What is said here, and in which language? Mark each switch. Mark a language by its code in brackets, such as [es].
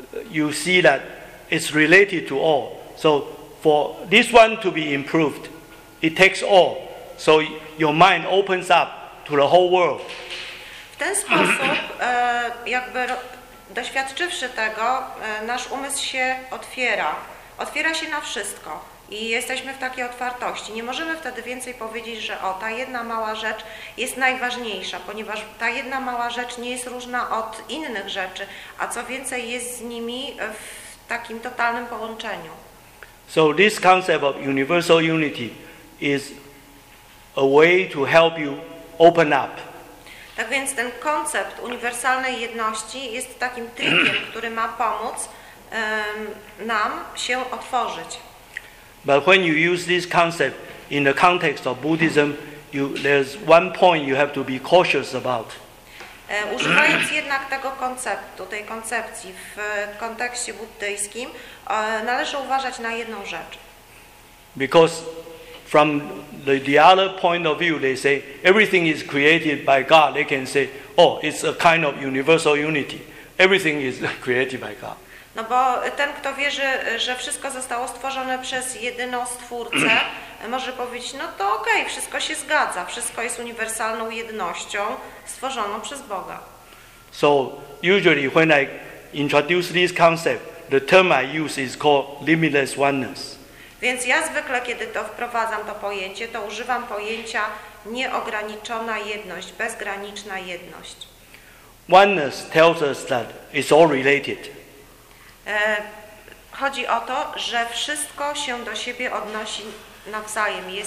[en] You see that it's related to all. So for this one to be improved, it takes all. So your mind opens up to the whole world. [pl] W ten sposób, jakby doświadczywszy tego, nasz umysł się otwiera. Otwiera się na wszystko. I jesteśmy w takiej otwartości. Nie możemy wtedy więcej powiedzieć, że o, ta jedna mała rzecz jest najważniejsza, ponieważ ta jedna mała rzecz nie jest różna od innych rzeczy, a co więcej jest z nimi w takim totalnym połączeniu. [en] So this concept of universal unity is a way to help you open up. [pl] Tak więc ten koncept uniwersalnej jedności jest takim trikiem, który ma pomóc nam się otworzyć. [en] But when you use this concept in the context of Buddhism, there's one point you have to be cautious about. [pl] Używając jednak tego konceptu, tej koncepcji w kontekście buddyjskim, należy uważać na jedną rzecz. [en] Because from the other point of view, they say everything is created by God. They can say, oh, it's a kind of universal unity. Everything is created by God. [pl] No bo ten, kto wierzy, że wszystko zostało stworzone przez jedyną stwórcę, może powiedzieć, no to okej, wszystko się zgadza, wszystko jest uniwersalną jednością stworzoną przez Boga. [en] So usually when I introduce this concept, the term I use is called limitless oneness. [pl] Więc ja zwykle, kiedy to wprowadzam to pojęcie, to używam pojęcia nieograniczona jedność, bezgraniczna jedność. [en] Oneness tells us that it's all related. [pl] Chodzi o to, że wszystko się do siebie odnosi nawzajem.